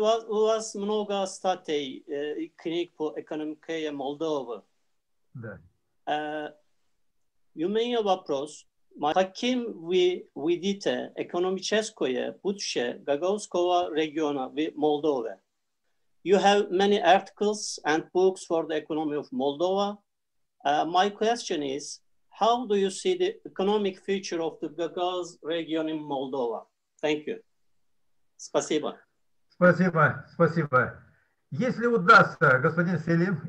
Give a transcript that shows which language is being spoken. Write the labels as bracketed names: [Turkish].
[Russian] У вас много статей и книг по экономике Молдовы. Да. У меня вопрос. Каким вы видите экономическое будущее Гагаузского региона в Молдове? [English] You have many articles and books for the economy of Moldova. My question is, how do you see the economic future of the Gagauz region in Moldova? Thank you. [Russian] Спасибо. Спасибо. Спасибо. Если удастся, господин Селим.